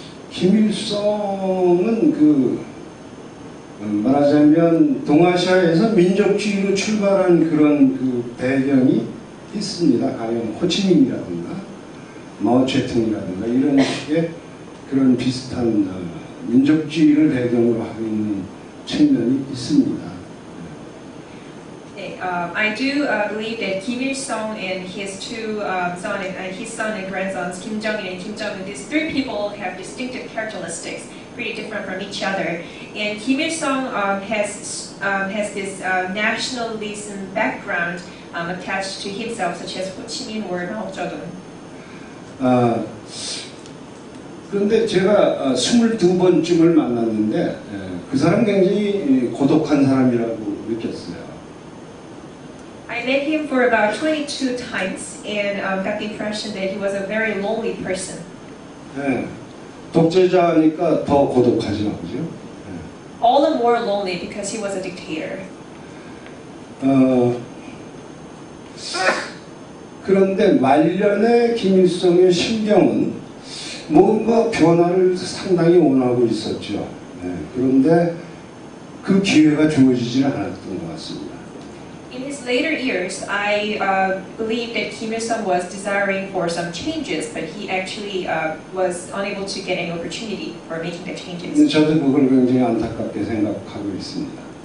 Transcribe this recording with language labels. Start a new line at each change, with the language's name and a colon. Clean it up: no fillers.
Korean: 김일성은 말하자면 동아시아에서 민족주의로 출발한 그런 그 배경이 있습니다. 가령 호치민이라든가 마오쩌둥이라든가 이런 식의 그런 비슷한 민족주의를 배경으로 하고 있는 측면이 있습니다.
English: I do believe that Kim Il-sung and his two son and his son and grandsons, Kim Jong-un and Kim Jong-un, these three people have distinctive characteristics, pretty different from each other. And Kim Il-sung has this nationalism background attached to himself, such as Ho Chi Minh or Mao Zedong.
Korean: 그런데 제가 22번쯤을 만났는데 그 사람 굉장히 고독한 사람이라고 느꼈어요.
English: I met him for about 22 times and got the impression that he was a very lonely person.
Korean: 네, 독재자니까 더 고독하지만, 그죠? 네.
English: All the more lonely because he was a dictator.
Korean: 그런데 말년에 김일성의 심경은 뭔가 변화를 상당히 원하고 있었죠. 네, 그런데 그 기회가 주어지지는 않았던 것 같습니다.
English: In his later years, I believe that Kim Il-sung was desiring for some changes, but he actually was unable to get any opportunity for making the changes.
Korean: 저도 그걸 굉장히 안타깝게 생각하고 있습니다.